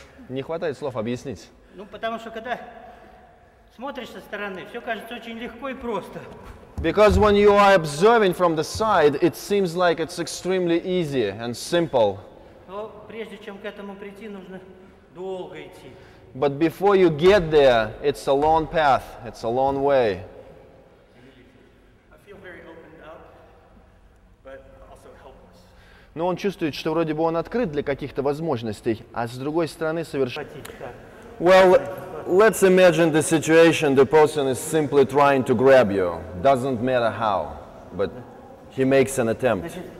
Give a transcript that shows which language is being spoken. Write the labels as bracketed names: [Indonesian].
[Russian] Не хватает слов объяснить. Ну потому что когда смотришь со стороны, все кажется очень легко и просто. [English] Because when you are observing from the side, it seems like it's extremely easy and simple. But before you get there, it's a long path, it's a long way. I feel very opened up, but also helpless. [Russian] Но он чувствует, что вроде бы он открыт для каких-то возможностей, а с другой стороны совершенно... [English] Well, let's imagine the situation. The person is simply trying to grab you. Doesn't matter how, but he makes an attempt.